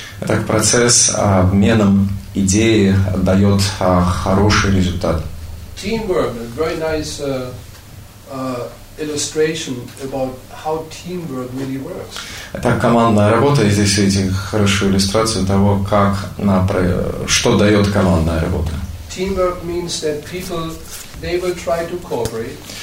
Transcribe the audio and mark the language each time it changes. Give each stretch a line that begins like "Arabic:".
Russian: Так процесс обменом идеи дает хороший результат.
English: Teamwork, a very nice illustration about how teamwork really works.
Russian: Так командная работа, и здесь видите хорошую иллюстрацию того, как что дает командная работа.
English: Teamwork means that people they will try to cooperate.